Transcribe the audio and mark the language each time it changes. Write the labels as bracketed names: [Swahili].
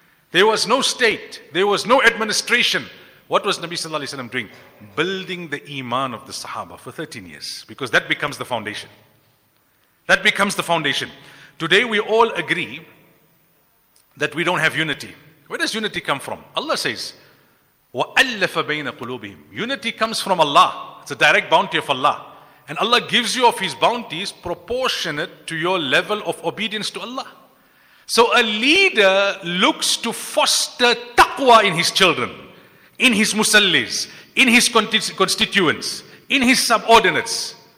[English] There was no state. There was no administration. What was Nabi Sallallahu Alaihi Wasallam doing? Building the iman of the Sahaba for 13 years. Because that becomes the foundation. That becomes the foundation. Today we all agree that we don't have unity. Where does unity come from? [Arabic] Allah says, وَأَلَّفَ بَيْنَ قُلُوبِهِمْ. [English] Unity comes from Allah. It's a direct bounty of Allah. And Allah gives you of His bounties proportionate to your level of obedience to Allah. So a leader looks to foster taqwa in his children, in his musallis, in his constituents, in his subordinates.